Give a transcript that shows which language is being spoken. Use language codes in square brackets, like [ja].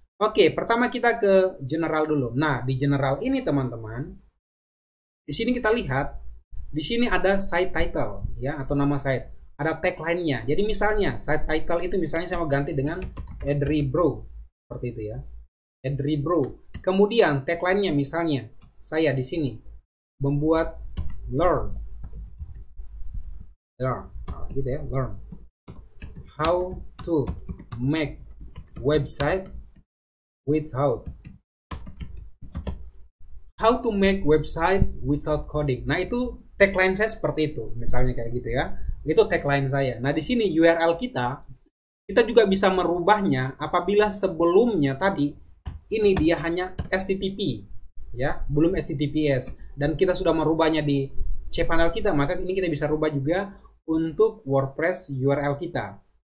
[id] Oke, pertama kita ke general dulu. Nah, di general ini teman-teman, di sini kita lihat, di sini ada site title ya, atau nama site. Ada tagline-nya. Jadi misalnya site title itu misalnya saya mau ganti dengan Edry Bro, seperti itu ya. Edry Bro. Kemudian tagline-nya misalnya saya di sini membuat learn. Learn. Gitu ya, learn. [en] How to make website without, how to make website without coding. [id] Nah, itu tagline saya seperti itu, misalnya kayak gitu ya. Itu tagline saya. Nah, di sini URL kita juga bisa merubahnya apabila sebelumnya tadi ini dia hanya HTTP ya, belum HTTPS, dan kita sudah merubahnya di cPanel kita, maka ini kita bisa rubah juga untuk WordPress URL kita.